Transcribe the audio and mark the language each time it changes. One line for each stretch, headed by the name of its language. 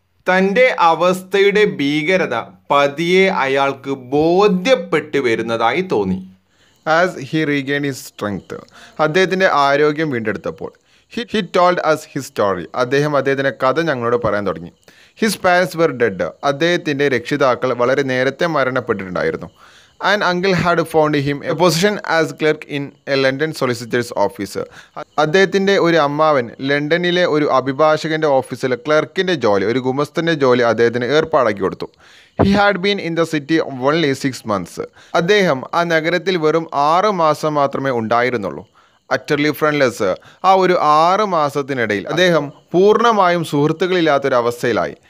Malayalam: തൻ്റെ അവസ്ഥയുടെ ഭീകരത പതിയെ അയാൾക്ക് ബോധ്യപ്പെട്ടു വരുന്നതായി തോന്നി.
English: As he regained his strength,
Malayalam: അദ്ദേഹത്തിൻ്റെ ആരോഗ്യം വീണ്ടെടുത്തപ്പോൾ
English: He told us his story.
Malayalam: അദ്ദേഹം അദ്ദേഹത്തിൻ്റെ കഥ ഞങ്ങളോട് പറയാൻ തുടങ്ങി.
English: His parents were dead.
Malayalam: അദ്ദേഹത്തിൻ്റെ രക്ഷിതാക്കൾ വളരെ നേരത്തെ മരണപ്പെട്ടിട്ടുണ്ടായിരുന്നു.
English: and uncle had found him a position as clerk in a London solicitor's office.
Malayalam: അദ്ദേഹത്തിൻ്റെ ഒരു അമ്മാവൻ ലണ്ടനിലെ ഒരു അഭിഭാഷകൻ്റെ ഓഫീസിൽ ക്ലർക്കിൻ്റെ ജോലി, ഒരു ഗുമസ്തൻ്റെ ജോലി അദ്ദേഹത്തിന് ഏർപ്പാടാക്കി കൊടുത്തു.
English: He had been in the city only 6 months.
Malayalam: അദ്ദേഹം ആ നഗരത്തിൽ വെറും 6 മാസം മാത്രമേ ഉണ്ടായിരുന്നുള്ളൂ.
English: Utterly friendless.
Malayalam: ആ ഒരു 6 മാസത്തിനിടയിൽ അദ്ദേഹം പൂർണ്ണമായും സുഹൃത്തുക്കളില്ലാത്തൊരവസ്ഥയിലായി.